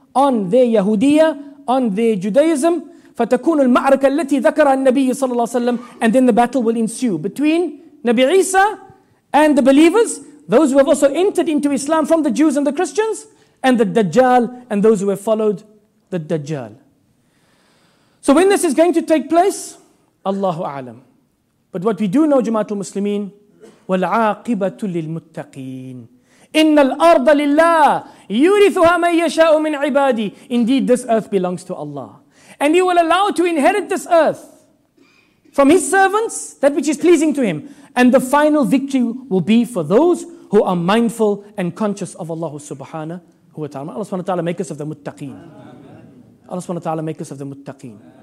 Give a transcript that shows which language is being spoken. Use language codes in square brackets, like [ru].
[en] on their Yahudiyya, on their Judaism. [ar] فتكون المعركة التي ذكرها النبي صلى الله عليه وسلم, [en] and then the battle will ensue between Nabi Isa and the believers, those who have also entered into Islam from the Jews and the Christians, and the Dajjal and those who have followed the Dajjal. So when this is going to take place, Allahu A'lam. But what we do know, [ar] Jamaatul Muslimin, وَالْعَاقِبَةُ لِلْمُتَّقِينَ إِنَّ الْأَرْضَ لِلَّهِ يُورِثُهَا مَنْ يَشَاءُ مِنْ عِبَادِي. [en] Indeed, this earth belongs to Allah. And He will allow to inherit this earth from His servants, that which is pleasing to Him. And the final victory will be for those who are mindful and conscious of Allah subhanahu wa ta'ala. Allah subhanahu wa ta'ala make us of the muttaqeen. Allah subhanahu wa ta'ala make us of the muttaqeen.